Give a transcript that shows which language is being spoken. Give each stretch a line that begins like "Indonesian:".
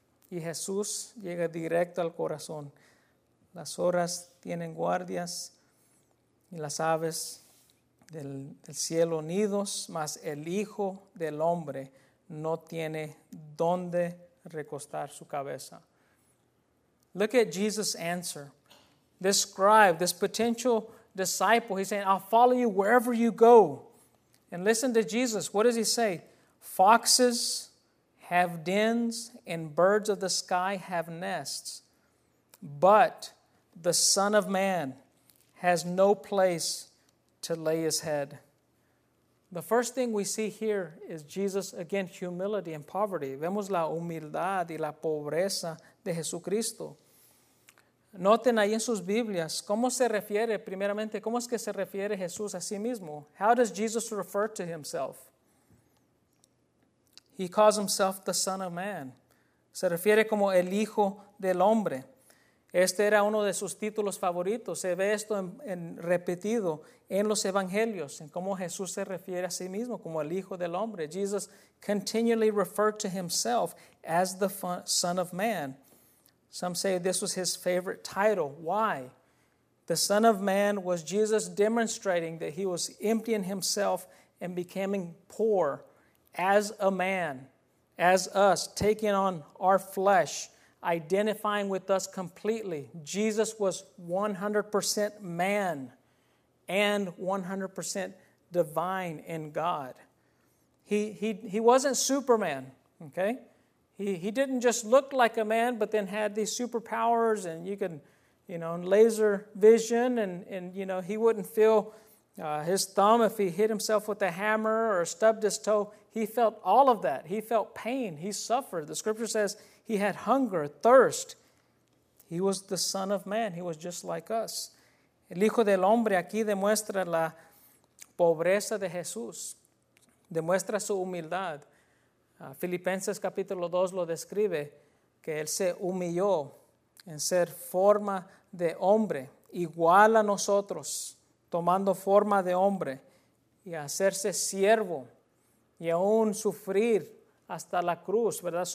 Spanish: Y Jesús llega directo al corazón. Las zorras tienen guardias y las aves del cielo nidos, mas el Hijo del Hombre no tiene dónde recostar su cabeza.
English: Look at Jesus' answer. This scribe, this potential disciple, he's saying, "I'll follow you wherever you go." And listen to Jesus. What does he say? "Foxes have dens and birds of the sky have nests, but the Son of Man has no place to lay his head." The first thing we see here is Jesus, again, humility and poverty.
Spanish: Vemos la humildad y la pobreza de Jesucristo. Noten ahí en sus Biblias, ¿cómo se refiere primeramente? ¿Cómo es que se refiere Jesús a sí mismo?
English: How does Jesus refer to himself? He calls himself the Son of Man.
Spanish: Se refiere como el Hijo del Hombre. Este era uno de sus títulos favoritos. Se ve esto en repetido en los evangelios, en cómo Jesús se refiere a sí mismo como el Hijo del Hombre.
English: Jesus continually referred to himself as the Son of Man. Some say this was his favorite title. Why? The Son of Man was Jesus demonstrating that he was emptying himself and becoming poor as a man, as us, taking on our flesh, identifying with us completely. Jesus was 100% man and 100% divine in God. He wasn't Superman, okay? He didn't just look like a man, but then had these superpowers and you can, you know, laser vision and you know, he wouldn't feel his thumb if he hit himself with a hammer or stubbed his toe. He felt all of that. He felt pain. He suffered. The scripture says he had hunger, thirst. He was the Son of Man. He was just like us.
Spanish: El Hijo del Hombre aquí demuestra la pobreza de Jesús. Demuestra su humildad. Filipenses capítulo 2 lo describe que él se humilló en ser forma de hombre, igual a nosotros, tomando forma de hombre y hacerse siervo y aún sufrir hasta la cruz, ¿verdad?